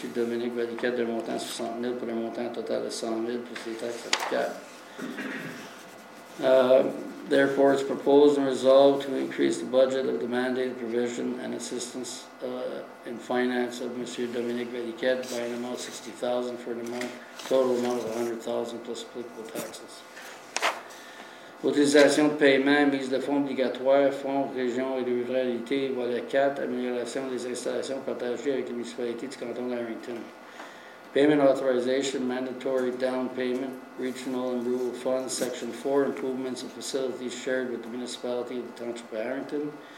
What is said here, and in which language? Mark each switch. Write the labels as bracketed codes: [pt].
[fr] Dominique Valiquette d'un montant de 60 000 pour un montant total de 100 000 plus les taxes applicables. [en] Therefore, it's proposed and resolved to increase the budget of the mandated provision and assistance in finance of Monsieur Dominique Valiquette by an amount of 60,000 for the amount, total amount of 100,000 plus applicable taxes. [fr] Utilisation de paiement, mise de fonds obligatoires, fonds, région et ruralité, volet 4, amélioration des installations partagées avec les municipalités du canton d'Arrington. [en] Payment authorization, mandatory down payment, regional and rural funds, section 4, improvements of facilities shared with the municipality of the township of Arrington.